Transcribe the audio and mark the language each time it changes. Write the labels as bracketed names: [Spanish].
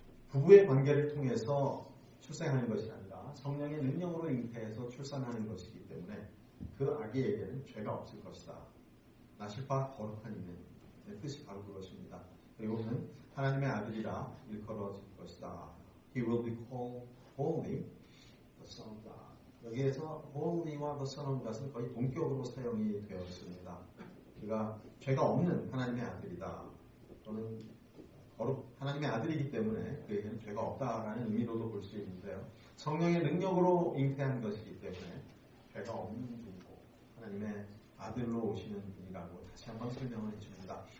[Korean] 부부의 관계를 통해서 출생하는 것이 아니라 성령의 능력으로 잉태해서 출산하는 것이기 때문에 그 아기에게는 죄가 없을 것이다. 나실바 거룩한 이는 뜻이 바로 그것입니다. 그리고는 하나님의 아들이라 일컬어질 것이다. [English] He will be called holy, the Son of God. [Korean] 여기에서 holy와 [English] the Son of God [Korean] 은 거의 동격으로 사용이 되었습니다. 그가 죄가 없는 하나님의 아들이다. 또는 하나님의 아들이기 때문에 그에게는 죄가 없다라는 의미로도 볼 수 있는데요. 성령의 능력으로 잉태한 것이기 때문에 죄가 없는 분이고 하나님의 아들로 오시는 분이라고 다시 한번 설명을 해줍니다.